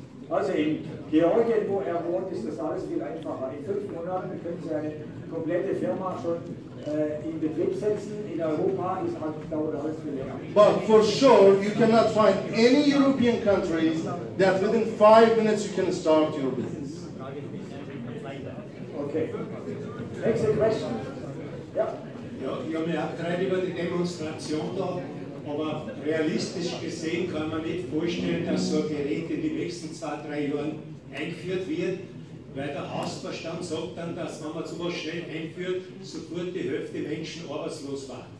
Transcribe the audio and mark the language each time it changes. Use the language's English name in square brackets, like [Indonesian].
[German] Also in Georgien, wo wohnt, ist das alles viel einfacher. In 5 Monaten können Sie eine komplette Firma schon in Betrieb setzen. In Europa dauert alles viel länger. [English] But for sure, you cannot find any European countries that within 5 minutes you can start your business. Okay. Next question. Ja. [German] Ja, ich habe mich auch gerade über die Demonstration da, aber realistisch gesehen kann man nicht vorstellen, dass so ein Gerät in den nächsten 2-3 Jahren eingeführt wird, weil der Hausverstand sagt dann, dass wenn man sowas schnell einführt, sofort die Hälfte der Menschen arbeitslos war.